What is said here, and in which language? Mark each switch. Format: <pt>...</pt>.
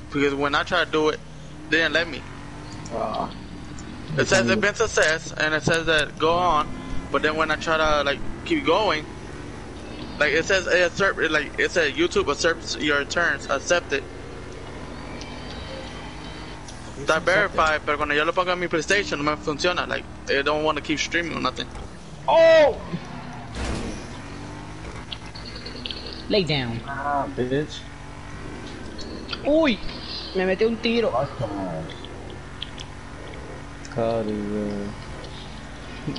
<en>Because when I tried to do it, they didn't let me. It says it's been success, and it says that go on, but then when I try to like keep going, like it says it said YouTube accepts your terms, accept it.</en> <es>Está verified, pero cuando yo lo pongo en mi PlayStation, no me funciona.</es> <en>Like, they don't want to keep streaming or nothing. Oh! Lay down. Bitch.</en> <es>Uy! Me metí un tiro.</es> <en>God,</en>